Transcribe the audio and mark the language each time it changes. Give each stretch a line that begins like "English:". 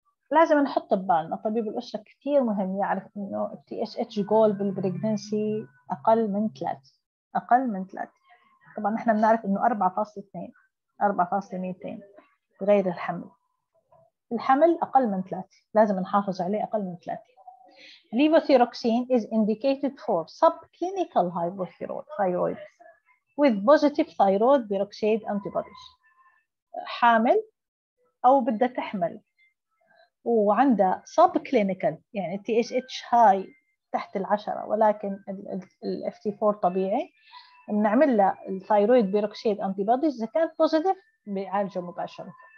Arabic: لازم نحط ببالنا طبيب الأسرة كثير مهم يعرف إنه TSH goal بالبريجنسي أقل من 3، أقل من 3. طبعاً نحن بنعرف إنه 4.2، 4.200 بغير الحمل. الحمل أقل من 3، لازم نحافظ عليه أقل من 3.
English: Levothyroxine is indicated for subclinical hypothyroid with positive thyroid peroxide antibodies.
Arabic: حامل أو بدها تحمل وعندها sub clinical يعني TSH high تحت العشرة ولكن ال FT4 طبيعي، بنعمل لها الثايرويد بيروكسيد انتيبوديز، اذا كانت بوزيتيف بيعالجه مباشرة.